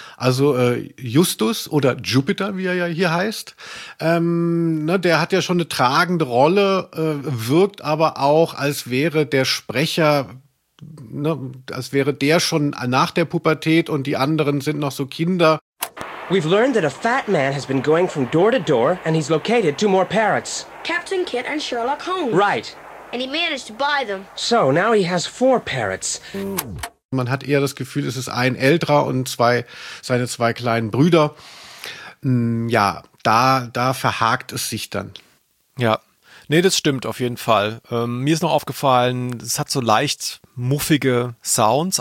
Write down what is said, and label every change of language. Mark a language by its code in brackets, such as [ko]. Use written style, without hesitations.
[de] Also Justus oder Jupiter, wie er ja hier heißt. Der hat ja schon eine tragende Rolle, wirkt aber auch, als wäre der Sprecher, ne, als wäre der schon nach der Pubertät und die anderen sind noch so Kinder. [en] We've learned that a fat man has been going from door to door and he's located 2 more parrots. Captain Kit and Sherlock Holmes. Right. And he managed to buy them. So, now he has 4 parrots. [de] Man hat eher das Gefühl, es ist ein älterer und seine zwei kleinen Brüder. Ja, da verhakt es sich dann. Ja, nee, das stimmt auf jeden Fall. Mir ist noch aufgefallen, es hat so leicht muffige Sounds.